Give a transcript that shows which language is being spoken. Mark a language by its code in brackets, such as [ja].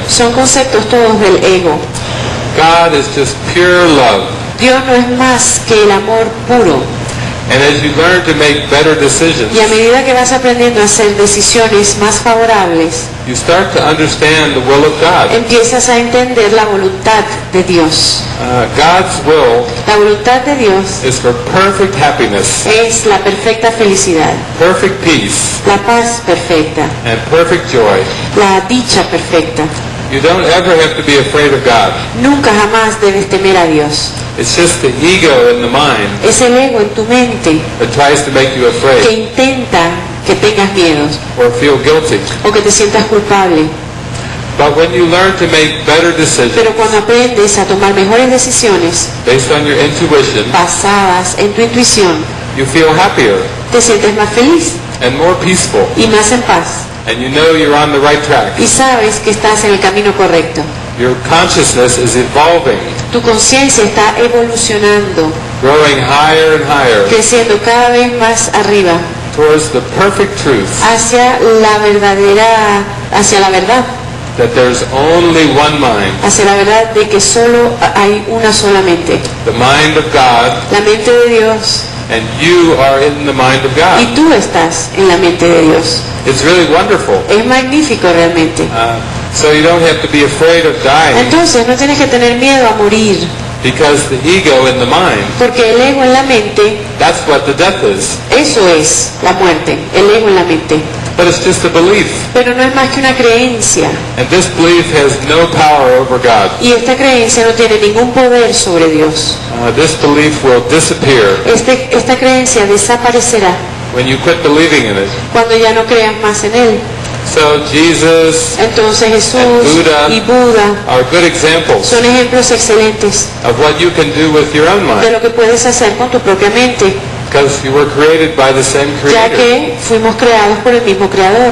[es] Son conceptos todos del ego. [en] God is just pure love. [es] Dios no es más que el amor puro. [en] And as you learn to make better decisions, [es] y a medida que vas aprendiendo a hacer decisiones más favorables, [en] you start to understand the will of God. [es] Empiezas a entender la voluntad de Dios. [en] God's will, [es] la voluntad de Dios, [en] is for perfect happiness. [es] Es la perfecta felicidad. [en] Perfect peace. [es] La paz perfecta. [en] And perfect joy. [es] La dicha perfecta. [en] You don't ever have to be afraid of God. [es] Nunca jamás debes temer a Dios. [en] It's just the ego in the mind. [es] Es el ego en tu mente. [en] That tries to make you afraid. [es] Que intenta que tengas miedo. [en] Or feel guilty. [es] O que te sientas culpable. [en] But when you learn to make better decisions. [es] Pero cuando aprendes a tomar mejores decisiones. [en] Based on your intuition. [es] Basadas en tu intuición. [en] You feel happier. [es] Te sientes más feliz. [en] And more peaceful. [es] Y más en paz. [en] And you know you're on the right track. [es] Y sabes que estás en el camino correcto. [en] Your consciousness is evolving. [es] Tu conciencia está evolucionando. [en] Growing higher and higher. [es] Creciendo cada vez más arriba. [en] Towards the perfect truth. [es] Hacia la verdadera, hacia la verdad. [en] That there's only one mind. [es] Hacia la verdad de que solo hay una sola mente. [en] The mind of God. [es] La mente de Dios. [en] And you are in the mind of God. [es] Y tú estás en la mente de Dios. [en] It's really wonderful. [es] Es magnífico realmente. [en] So you don't have to be afraid of dying. [es] Entonces no tienes que tener miedo a morir. [en] Because the ego in the mind. [es] Porque el ego en la mente. [en] That's what the death is. [es] Eso es la muerte, el ego en la mente. [en] But it's just a belief. [es] Pero no es más que una creencia. [en] And this belief has no power over God. [es] Y esta creencia no tiene ningún poder sobre Dios. [en] This belief will disappear. [es] Esta creencia desaparecerá. [en] When you quit believing in it. [es] Cuando ya no creas más en él. [en] So Jesus, [es] entonces Jesús [en] and Buddha [es] y Buda [en] are good examples [es] son ejemplos excelentes [en] of what you can do with your own mind. [es] De lo que puedes hacer con tu propia mente. [en] Because you were created by the same creator. [es] Ya que fuimos creados por el mismo creador.